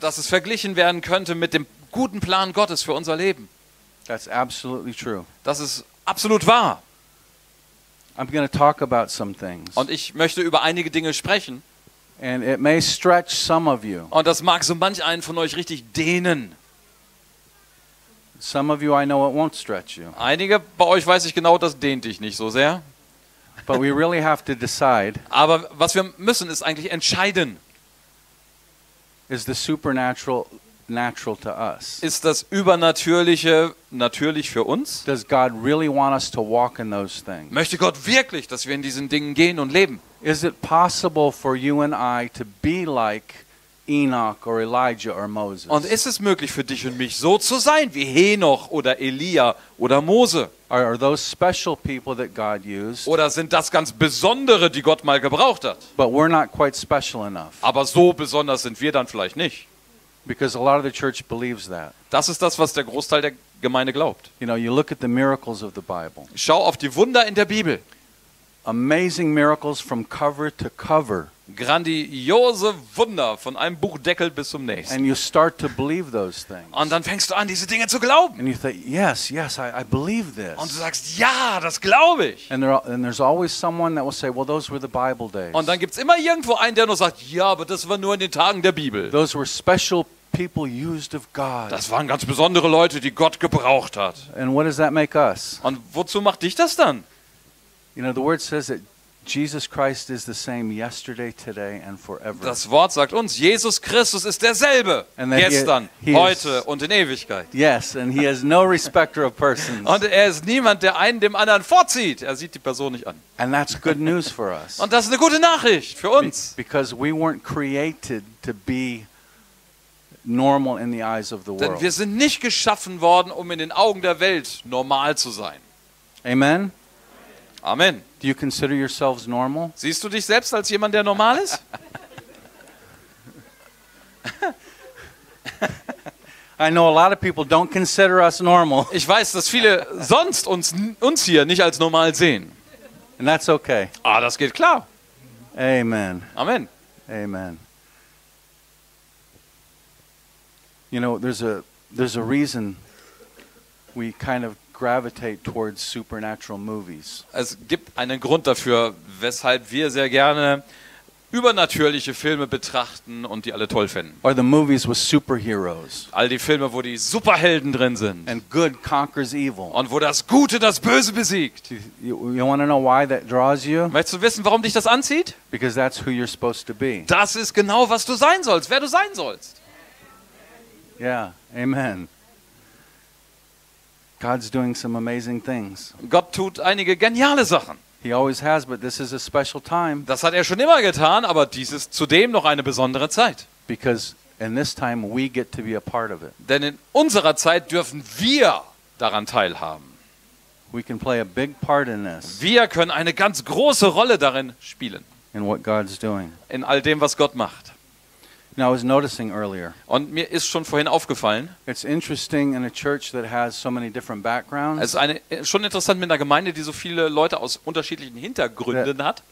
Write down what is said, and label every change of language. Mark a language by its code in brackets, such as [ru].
[de] Dass es verglichen werden könnte mit dem guten Plan Gottes für unser Leben. [en] That's absolutely true. [de] Das ist absolut wahr. [en] I'm going to talk about some things. [de] Und ich möchte über einige Dinge sprechen. [en] And it may stretch some of you. [de] Und das mag so manch einen von euch richtig dehnen. [en] Some of you I know it won't stretch you. [de] Einige bei euch weiß ich genau, das dehnt dich nicht so sehr. [en] But we really have to decide. [de] Aber was wir müssen, ist eigentlich entscheiden. [en] Is the supernatural natural to us? [de] Ist das Übernatürliche natürlich für uns? [en] Does God really want us to walk in those things? [de] Möchte Gott wirklich, dass wir in diesen Dingen gehen und leben? [en] Is it possible for you and I to be like Enoch or Elijah or Moses? [de] Und ist es möglich für dich und mich so zu sein wie Henoch oder Elia oder Mose? [en] Are those special people that God used? [de] Oder sind das ganz besondere, die Gott mal gebraucht hat? [en] But we're not quite special enough. [de] Aber so besonders sind wir dann vielleicht nicht. [en] Because a lot of the church believes that. [de] Das ist das, was der Großteil der Gemeinde glaubt. [en] You know, you look at the miracles of the Bible. [de] Schau auf die Wunder in der Bibel. [en] Amazing miracles from cover to cover. [de] Grandiose Wunder von einem Buchdeckel bis zum nächsten. [en] And you start to believe those things. [de] Und dann fängst du an, diese Dinge zu glauben. [en] And you think, yes, I believe this. [de] Und du sagst, ja, das glaube ich. [en] And there's always someone that will say, well, those were the Bible days. [de] Und dann gibt's immer irgendwo einen, der nur sagt, ja, aber das war nur in den Tagen der Bibel. [en] Those were special people used of God. [de] Das waren ganz besondere Leute, die Gott gebraucht hat. [en] And what does that make us? [de] Und wozu macht dich das dann? [en] You know, the word says that Jesus Christ is the same yesterday, today and forever. [de] Das Wort sagt uns, Jesus Christus ist derselbe gestern, heute und in Ewigkeit. [en] Yes, and he has no respecter of persons. [de] Und er ist niemand, der einen dem anderen vorzieht. Er sieht die Person nicht an. [en] And that's good news for us. [de] Und das ist eine gute Nachricht für uns. [en] Because we weren't created to be normal in the eyes of the world. [de] Denn wir sind nicht geschaffen worden, um in den Augen der Welt normal zu sein. Amen. Amen. [en] Do you consider yourselves normal? [de] Siehst du dich selbst als jemand, der normal ist? [en] I know a lot of people don't consider us normal. [de] Ich weiß, dass viele sonst uns hier nicht als normal sehen. [en] And that's okay. [de] Ah, das geht klar. Amen. Amen. Amen. [en] You know, there's a reason we kind of gravitate towards supernatural movies. [de] Es gibt einen Grund dafür, weshalb wir sehr gerne übernatürliche Filme betrachten und die alle toll finden. [en] Or the movies with superheroes. [de] All die Filme, wo die Superhelden drin sind. [en] And good conquers evil. [de] Und wo das Gute das Böse besiegt. [en] You want to know why that draws you? [de] Möchtest du wissen, warum dich das anzieht? [en] Because that's who you're supposed to be. [de] Das ist genau, was du sein sollst, wer du sein sollst. [en] Yeah, amen. God's doing some amazing things. [de] Gott tut einige geniale Sachen. [en] He always has, but this is a special time. [de] Das hat er schon immer getan, aber dies ist zudem noch eine besondere Zeit. [en] Because in this time we get to be a part of it. [de] Denn in unserer Zeit dürfen wir daran teilhaben. [en] We can play a big part in this. [de] Wir können eine ganz große Rolle darin spielen. [en] In what God's doing. [de] In all dem, was Gott macht. [en] Now I was noticing earlier. [de] Und mir ist schon vorhin aufgefallen. [en] It's interesting in a church that has so many different backgrounds. [de] Es ist schon interessant mit einer Gemeinde, die so viele Leute aus unterschiedlichen Hintergründen hat.